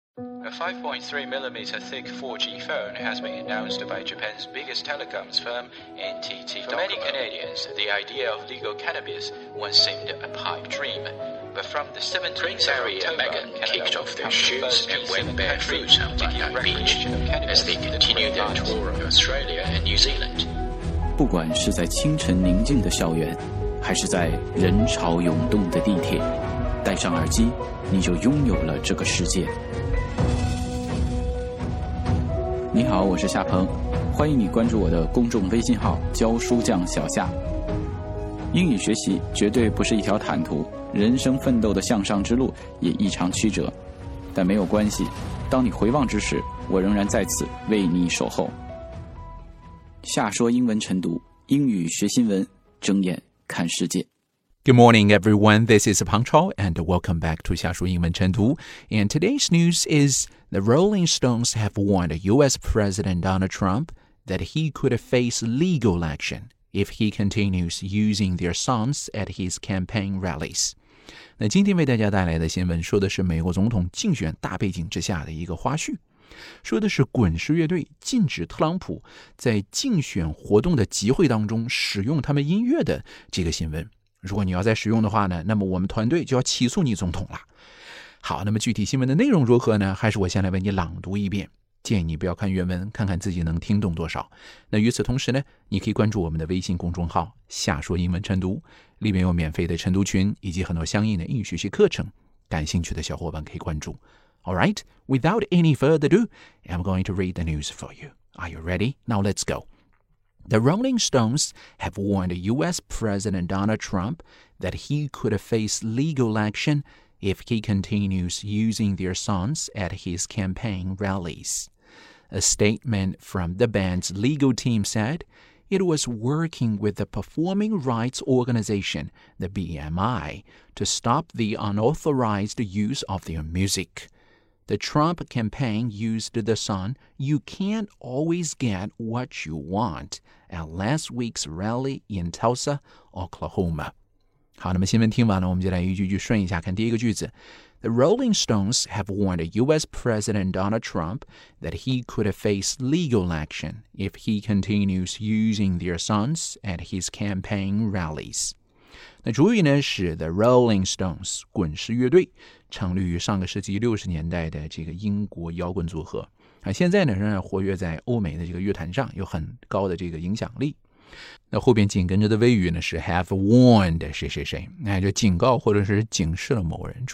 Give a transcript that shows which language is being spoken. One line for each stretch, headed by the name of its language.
English: A 5.3mm thick 4G phone has been announced by Japan's biggest telecoms firm, NTT Docomo. For many Canadians, the idea of legal cannabis once seemed a pipe dream. But from the 17th of October, Megan kicked off their shoes and went barefoot on Bondi Beach as they continued their tour of Australia and New Zealand.
Chinese: 不管是在清晨宁静的校园，还是在人潮涌动的地铁，戴上耳机，你就拥有了这个世界。你好，我是夏鹏，欢迎你关注我的公众微信号“教书匠小夏”。英语学习绝对不是一条坦途，人生奋斗的向上之路也异常曲折，但没有关系，当你回望之时，我仍然在此为你守候。夏说英文晨读，英语学新闻，睁眼看世界。
English: Good morning, everyone. This is Peng Chao, and welcome back to 夏说英文晨读。 And today's news is the Rolling Stones have warned U.S. President Donald Trump that he could face legal action if he continues using their songs at his campaign rallies.
Chinese: 那今天为大家带来的新闻说的是美国总统竞选大背景之下的一个花絮。说的是滚石乐队禁止特朗普在竞选活动的集会当中使用他们音乐的这个新闻，如果你要再使用的话呢，那么我们团队就要起诉你总统了。好，那么具体新闻的内容如何呢？还是我先来为你朗读一遍，建议你不要看原文，看看自己能听懂多少。那与此同时呢，你可以关注我们的微信公众号夏说英文晨读，里面有免费的晨读群以及很多相应的英语学习课程，感兴趣的小伙伴可以关注。
English: All right, without any further ado, I'm going to read the news for you. Are you ready? Now let's go. The Rolling Stones have warned U.S. President Donald Trump that he could face legal action if he continues using their songs at his campaign rallies. A statement from the band's legal team said it was working with the performing rights organization, the BMI, to stop the unauthorized use of their music. The Trump campaign used the song You Can't Always Get What You Want at last week's rally in Tulsa, Oklahoma.
Chinese: 好，那么新闻听完了，我们就来一句句顺一下，看第一个句子。
English: The Rolling Stones have warned U.S. President Donald Trump that he could face legal action if he continues using their songs at his campaign rallies.
Chinese: 那主语呢是 The Rolling Stones 滚石乐队，成立于上个世纪60年代的这个英国摇滚组合，现在呢仍然活跃在欧美的这个乐坛上，有很高的这个影响力。那后边紧跟着的谓语呢是
English: Have warned
Chinese: 谁谁谁，就警告或者是警示了某人。